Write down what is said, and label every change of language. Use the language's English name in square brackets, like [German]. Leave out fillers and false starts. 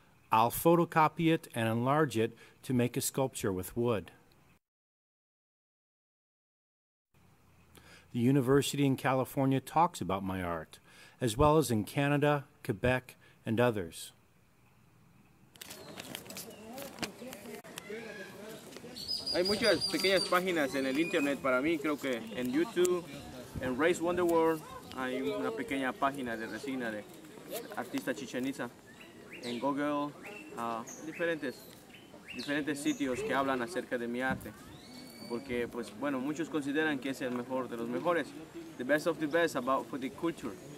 [English] I'll photocopy it and enlarge it to make a sculpture with wood. The university in California talks about my art, as well as in Canada, Quebec, and others. [Spanish] Hay muchas pequeñas páginas en el internet para mí, creo que en YouTube, en Race Wonder World, hay una pequeña página de resina de artista chichenisa. En Google, diferentes sitios que hablan acerca de mi arte. Porque, pues, bueno, muchos consideran que es el mejor de los mejores. [English] The best of the best about for the culture.